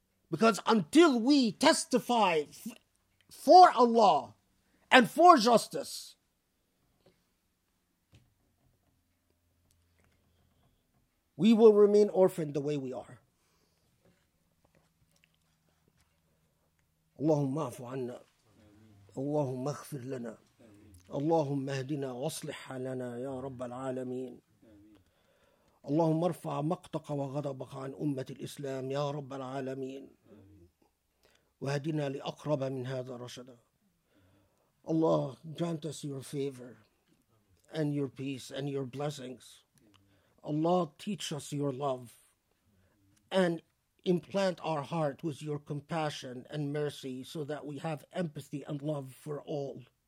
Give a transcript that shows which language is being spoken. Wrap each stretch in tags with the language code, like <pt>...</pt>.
<en>Because until we testify for Allah and for justice, we will remain orphaned the way we are.</en> <ar>اللهم اعف عنا اللهم اغفر لنا اللهم اهدنا واصلح لنا يا رب العالمين اللهم ارفع مقتك وغضبك عن أمة الإسلام يا رب العالمين وهدنا لأقرب من هذا رشدا</ar> <en>Allah grant us your favor and your peace and your blessings. Allah teach us your love and implant our heart with your compassion and mercy so that we have empathy and love for all.</en>